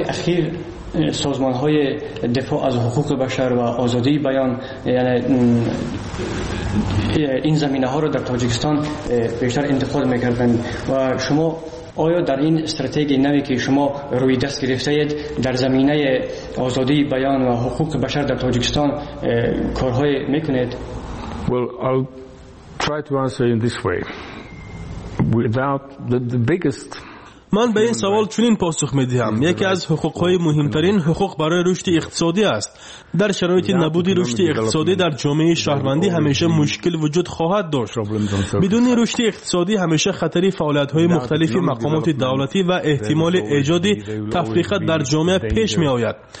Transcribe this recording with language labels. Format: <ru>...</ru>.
<fa>اخیر سازمان های دفاع از حقوق بشر و آزادی بیان، یعنی این زمینه ها رو در تاجیکستان بیشتر انتقاد می کردن و شما آیا در این استراتژی نوی که شما روی دست گرفته اید در زمینه آزادی بیان و حقوق بشر در تاجیکستان کارهای میکنید؟</fa> <en>Well, I'll try to answer in this way. Without the biggest</en> <fa>من به این سوال چنین پاسخ می دهم. یکی از حقوق‌های مهمترین حقوق برای رشد اقتصادی است. در شرایط نبود رشد اقتصادی در جامعه شهروندی همیشه مشکل وجود خواهد داشت. بدون رشد اقتصادی همیشه خطری فعالیت‌های مختلف مقامات دولتی و احتمال ایجاد تفریقه در جامعه پیش می آید.</fa>